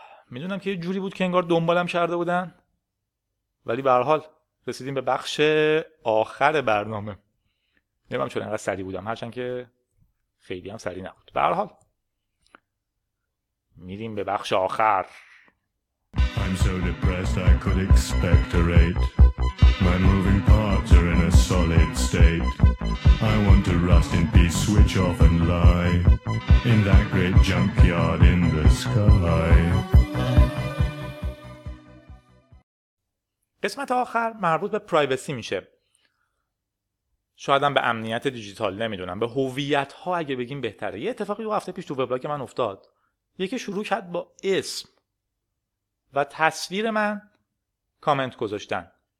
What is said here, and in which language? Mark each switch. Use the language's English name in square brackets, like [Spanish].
[Persian] میدونم که یه جوری بود که انگار دنبالم کرده بودن، ولی به هر حال رسیدیم به بخش آخر برنامه. نمیدونم چرا انقدر سریع بودم، هرچند که خیلی هم سریع نبود. به هر حال میریم به بخش آخر. [English] I'm so depressed I could expect a rate. My moving parts are in a solid state. I want to rust in peace, switch off and lie in that great junkyard in the sky. [Persian] قسمت آخر مربوط به پرایوسی میشه. شاید هم به امنیت دیجیتال، نمیدونم، به هویت ها اگه بگیم بهتره. یه اتفاقی دو هفته پیش تو وبلاگ من افتاد. یکی شروع کرد با اسم و تصویر من کامنت گذاشتن.